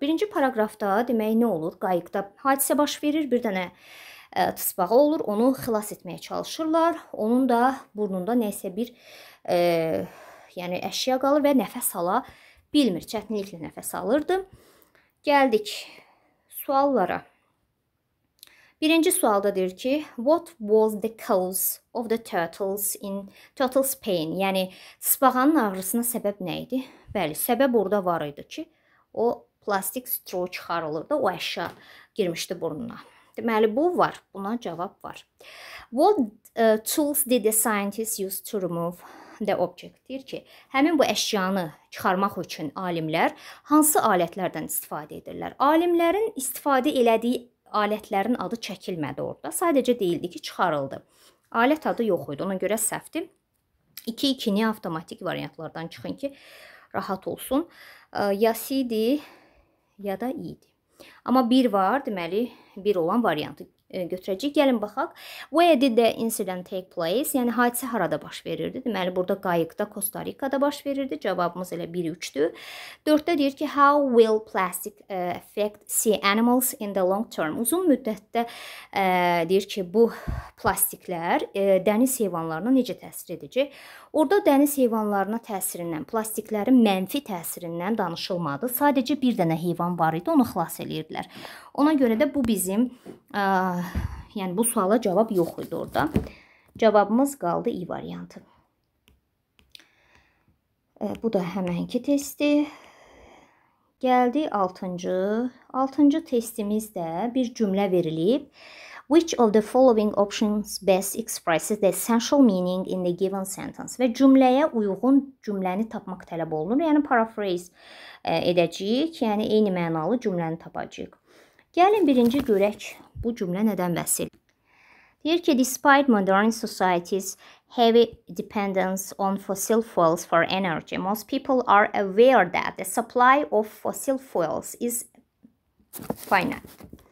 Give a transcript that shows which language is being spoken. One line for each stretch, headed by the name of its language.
Azerbaijani: Birinci paraqrafda demək nə olur? Qayıqda hadisə baş verir, bir dənə tısbağa olur, onu xilas etməyə çalışırlar. Onun da burnunda nəsə bir yəni əşya qalır və nəfəs ala bilmir, çətinliklə nəfəs alırdı. Gəldik. Suallara. Birinci sualda deyir ki,
English: what was the cause of the turtle's pain?
Azerbaijani: Yəni, sıbağanın ağrısına səbəb nə idi? Bəli, səbəb orada var idi ki, o plastik straw çıxarılırdı, o əşya girmişdi burnuna. Deməli, bu var, buna cavab var.
English: What tools did the scientists use to remove the object?
Azerbaijani: Deyir ki, həmin bu əşyanı çıxarmaq üçün alimlər hansı alətlərdən istifadə edirlər? Alimlərin istifadə elədiyi alətlərin adı çəkilmədi orada. Sadəcə deyildi ki, çıxarıldı. Alət adı yox idi, ona görə səhvdir. 2-2-ni avtomatik variantlardan çıxın ki, rahat olsun. Ya C idi, ya da E idi. Amma bir var, deməli, bir olan variantı götürəcək. Gəlin, baxaq.
English: Where did the incident take place?
Azerbaijani: Yəni, hadisə harada baş verirdi? Deməli, burada qayıqda, Costa Rica'da baş verirdi. Cavabımız elə 1-3-dür. 4-də deyir ki,
English: how will plastic affect sea animals in the long term?
Azerbaijani: Uzun müddətdə deyir ki, bu plastiklər dəniz heyvanlarına necə təsir edici? Orada dəniz heyvanlarına təsirindən, plastiklərin mənfi təsirindən danışılmadı. Sadəcə bir dənə heyvan var idi, onu xilas edirdilər. Ona görə də bu bizim, yəni bu suala cavab yox idi orada. Cavabımız qaldı İ variantı. Bu da həmənki testi. Gəldi 6-cı. 6-cı testimizdə bir cümlə verilib.
English: Which of the following options best expresses the essential meaning in the given sentence?
Azerbaijani: Və cümləyə uyğun cümləni tapmaq tələb olunur. Yəni, paraphrase edəcəyik. Yəni, eyni mənalı cümləni tapacaq. Gəlin, birinci görək bu cümlə nədən bəsil. Deyir ki,
English: despite modern society's heavy dependence on fossil fuels for energy, most people are aware that the supply of fossil fuels is finite.